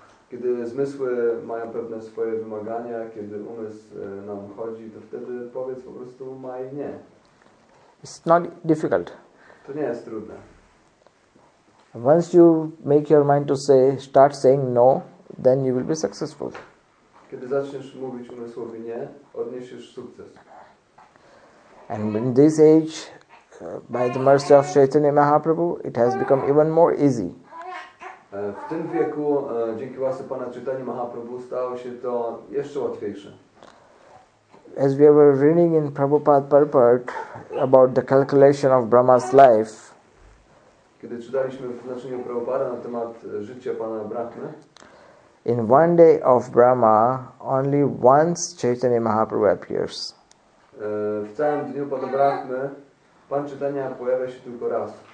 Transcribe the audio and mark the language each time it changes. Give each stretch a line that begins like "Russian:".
Polish: Kiedy zmysły mają pewne swoje wymagania, kiedy umysł nam chodzi, to wtedy powiedz po prostu Mai nie.
English: It's not difficult.
Polish: To nie jest trudne.
English: Once you make your mind to say, start saying no, then you will be successful.
Polish: Kiedy zaczniesz mówić umysłowi nie, odniesiesz sukces.
English: And in this age, by the mercy of Chaitanya Mahaprabhu, it has become even more easy.
Polish: W tym wieku, dzięki łasce Pana Chaitanya Mahaprabhu, stało się to jeszcze łatwiejsze.
English: As we were reading in Prabhupada Purport about the calculation of Brahma's life,
Polish: kiedy czytaliśmy w znaczeniu Prabhupada na temat życia Pana Brahmy,
English: in one day of Brahma, only once Chaitanya Mahaprabhu appears.
Polish: W całym dniu Pana Brahmy, Pan Chaitanya pojawia się tylko raz.